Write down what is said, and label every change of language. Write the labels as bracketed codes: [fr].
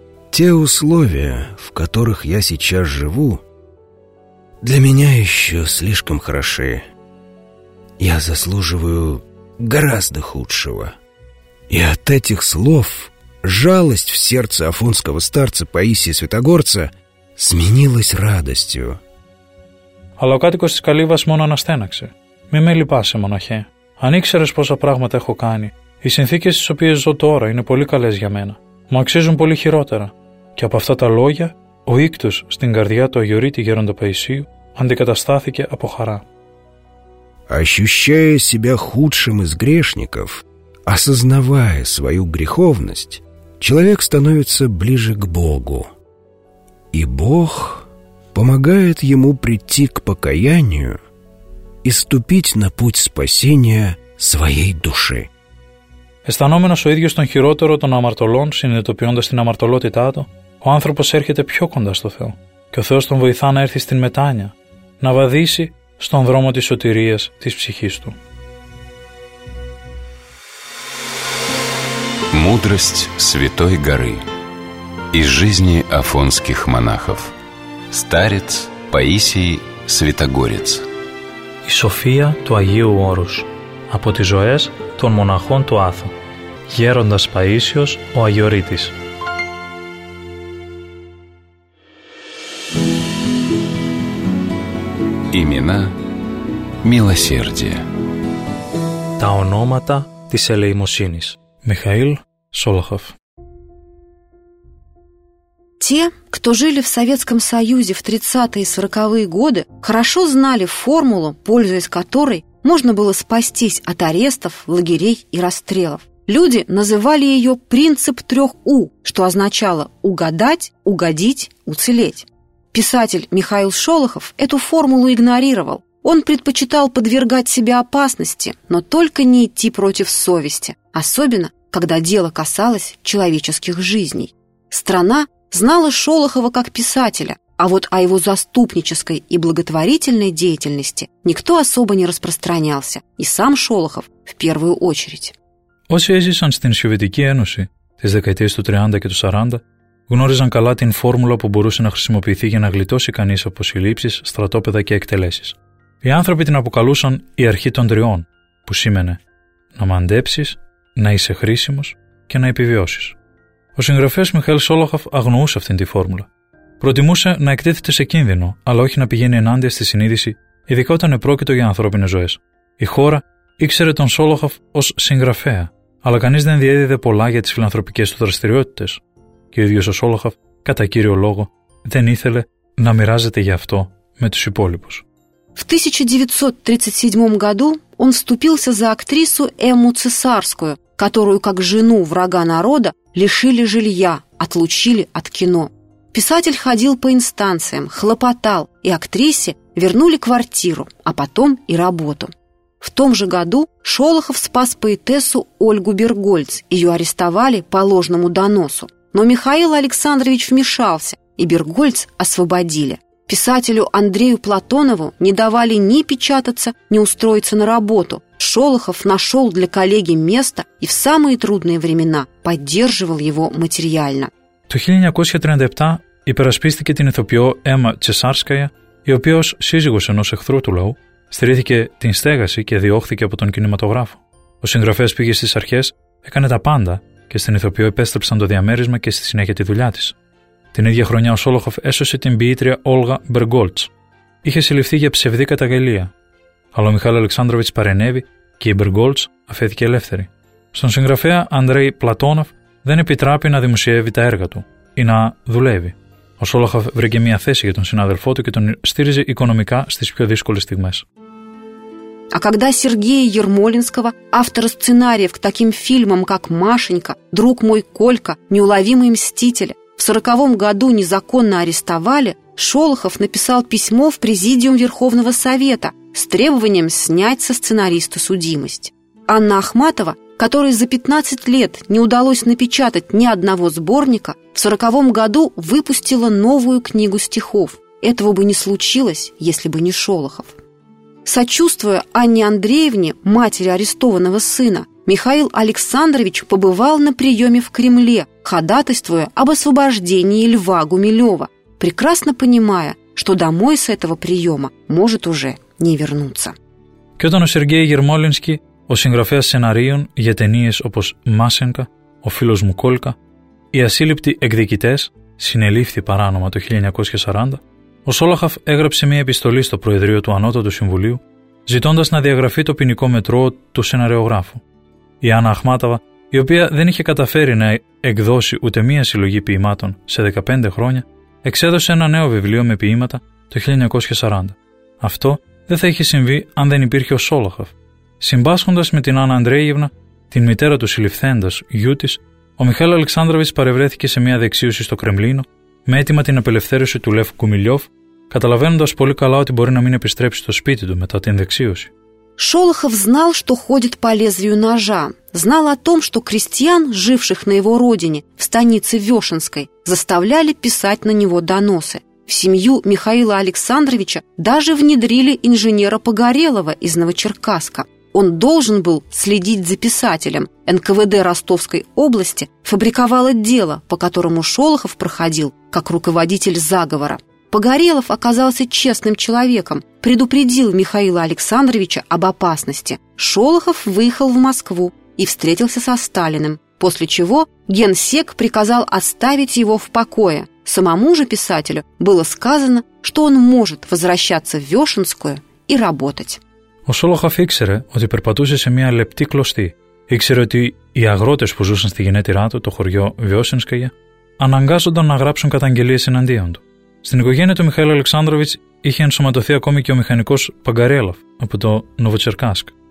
[ru] Те условия, в которых я сейчас живу, для меня еще слишком хороши. Я заслуживаю гораздо худшего. И от этих слов жалость в сердце афонского старца Паисия Святогорца сменилась радостью. [el] Αλλά ο κάτοικος της καλύβας μόνο αναστέναξε. Μη με λυπάσαι, μοναχέ. Αν ήξερες πόσα πράγματα έχω κάνει, οι συνθήκες στις οποίες ζω τώρα είναι πολύ καλές για μένα. Μου αξίζουν πολύ χειρότερα. Και από αυτά τα λόγια, ο ίκτος στην καρδιά του Αγιορείτη Γέροντα Παϊσίου αντικαταστάθηκε από χαρά. [ru] Ощущая себя худшим из грешников, осознавая свою греховность, человек становится ближе к Богу. И Бог помогает ему прийти к покаянию и ступить на путь спасения своей души. [el] Αισθανόμενος ο ίδιος τον χειρότερο των αμαρτωλών, συνειδητοποιώντας την αμαρτωλότητά του, ο άνθρωπος έρχεται πιο κοντά στο Θεό και ο Θεός τον βοηθά να έρθει στην μετάνοια, να βαδίσει στον δρόμο της σωτηρίας της ψυχής του. [ru] Мудрость Святой Горы из жизни афонских монахов. Старец Паисий Святогорец. [el] Η σοφία του Αγίου Όρους από τις ζωές των μοναχών του Άθου. Γέροντας Παΐσιος, ο Αγιορείτης. [ru] Имена милосердия. [el] Τα ονόματα της ελεημοσύνης. [ru] Михаил Шолохов. Те, кто жили в Советском Союзе в 30-е и 40-е годы, хорошо знали формулу, пользуясь которой можно было спастись от арестов, лагерей и расстрелов. Люди называли ее «принцип трех У», что означало «угадать», «угодить», «уцелеть». Писатель Михаил Шолохов эту формулу игнорировал. Он предпочитал подвергать себя опасности, но только не идти против совести, особенно когда дело касалось человеческих жизней. Страна знала Шолохова как писателя, а вот о его заступнической и благотворительной деятельности никто особо не распространялся, и сам Шолохов в первую очередь. [el] Όσοι έζησαν στην Σοβιετική Ένωση τις δεκαετίες του 30 και του 40, γνώριζαν καλά την φόρμουλα που μπορούσε να χρησιμοποιηθεί για να γλιτώσει κανείς από συλλήψεις, στρατόπεδα και εκτελέσεις. Οι άνθρωποι την αποκαλούσαν η αρχή των τριών, που σήμαινε να μαντέψεις, να είσαι χρήσιμος και να επιβιώσεις. Ο συγγραφέας Μιχαήλ Σόλοχαφ αγνοούσε αυτήν τη φόρμουλα. Προτιμούσε να εκτίθεται σε κίνδυνο, αλλά όχι να πηγαίνει ενάντια στη συνείδηση, ειδικά όταν επρόκειτο για ανθρώπινες ζωές. Η χώρα ήξερε τον Σόλοχαφ ως συγγραφέα, αλλά κανείς δεν διέδιδε πολλά για τις φιλανθρωπικές του δραστηριότητες. Και ο ίδιος ο Σόλοχαφ, κατά κύριο λόγο, δεν ήθελε να μοιράζεται γι' αυτό με τους υπόλοιπους. [ru] В 1937 году он вступился за актрису Эмму Цесарскую, которую как жену врага народа лишили жилья, отлучили от кино. Писатель ходил по инстанциям, хлопотал, и актрисе вернули квартиру, а потом и работу. В том же году Шолохов спас поэтессу Ольгу Бергольц, ее арестовали по ложному доносу. Но Михаил Александрович вмешался, и Бергольц освободили. Писателю Андрею Платонову не давали ни печататься, ни устроиться на работу. Шолохов нашел для коллеги место и в самые трудные времена поддерживал его материально. [el] Το 1937 υπερασπίστηκε την ηθοποιό Έμα Τσεσάρσκαια, η οποία ως σύζυγος ενός εχθρού του λαού στηρίχθηκε την στέγαση και διώχθηκε από τον κινηματογράφο. Ο συγγραφέας πήγε στις αρχές, έκανε τα πάντα και στην ηθοποιό επέστρεψαν το διαμέρισμα και στη συνέχεια τη δουλειά της. Την ίδια χρονιά ο Σόλοχοφ έσωσε την ποιήτρια Όλγα Μπεργκόλτς. Είχε συλληφθεί για ψευδή καταγγελία. Αλλά ο Μιχάλη Αλεξάνδροβιτς παρενέβη και η Μπεργκόλτς αφέθηκε ελεύθερη. Στον συγγραφέα Ανδρέη Πλατόνοφ δεν επιτράπει να δημοσιεύει τα έργα του ή να δουλεύει. Ο Σόλοχοφ βρήκε μια θέση για τον συνάδελφό του και τον στήριζε οικονομικά στις πιο δύσκολες στιγμές. [ru] А когда Сергея Ермолинского, автора сценариев к таким фильмам, как «Машенька», «Друг мой Колька», «Неуловимый мститель», в 40-м году незаконно арестовали, Шолохов написал письмо в Президиум Верховного Совета с требованием снять со сценариста судимость. Анна Ахматова, которой за 15 лет не удалось напечатать ни одного сборника, в 40-м году выпустила новую книгу стихов. Этого бы не случилось, если бы не Шолохов. Сочувствуя Анне Андреевне, матери арестованного сына, Михаил Александрович побывал на приеме в Кремле, ходатайствуя об освобождении Льва Гумилева, прекрасно понимая, что домой с этого приема может уже не вернуться. [el] Και όταν ο Σεργέη Γερμόλινσκι, ο συγγραφέας σεναρίων για ταινίες όπως «Μάσενκα», «Ο φίλος μου Κόλκα», «Οι ασύλληπτοι εκδικητές», συνελήφθη παράνομα το 1940, ο Σόλοχαφ έγραψε μια επιστολή στο Προεδρείο του Ανώτατου Συμβουλίου, ζητώντας να διαγραφεί το ποινικό μετρό του σεναριογράφου. Η Άννα Αχμάταβα, η οποία δεν είχε καταφέρει να εκδώσει ούτε μία συλλογή ποιημάτων σε 15 χρόνια, εξέδωσε ένα νέο βιβλίο με ποιήματα το 1940. Αυτό δεν θα είχε συμβεί αν δεν υπήρχε ο Σόλοχαφ. Συμπάσχοντας με την Άννα Αντρέγευνα, την μητέρα του συλληφθέντος γιού της, ο Μιχάλης Αλεξάνδροβιτς παρευρέθηκε σε μία δεξίωση στο Κρεμλίνο, με αίτημα την απελευθέρωση του Λεφ Γκουμιλιόφ, καταλαβαίνοντας πολύ καλά ότι μπορεί να μην επιστρέψει στο σπίτι του μετά την δεξίωση. [ru] Шолохов знал, что ходит по лезвию ножа, знал о том, что крестьян, живших на его родине, в станице Вешенской, заставляли писать на него доносы. В семью Михаила Александровича даже внедрили инженера Погорелова из Новочеркасска. Он должен был следить за писателем. НКВД Ростовской области фабриковало дело, по которому Шолохов проходил как руководитель заговора. Погорелов оказался честным человеком, предупредил Михаила Александровича об опасности. Шолохов выехал в Москву и встретился со Сталиным, после чего генсек приказал оставить его в покое. Самому же писателю было сказано, что он может возвращаться в Вешенскую и работать. [el] Ο Σόλοχαφ ήξερε ότι περπατούσε σε μια λεπτή κλωστή. Ήξερε ότι οι αγρότες που ζούσαν στη γενέτειρά του, το χωριό Βιόσενσκαγια, αναγκάζονταν να γράψουν καταγγελίες εναντίον του. Στην οικογένεια του Μιχαήλ Αλεξάνδροβιτς είχε ενσωματωθεί ακόμη και ο μηχανικός Παγκαρέλαφ από το Νοβοτσερκάσκ.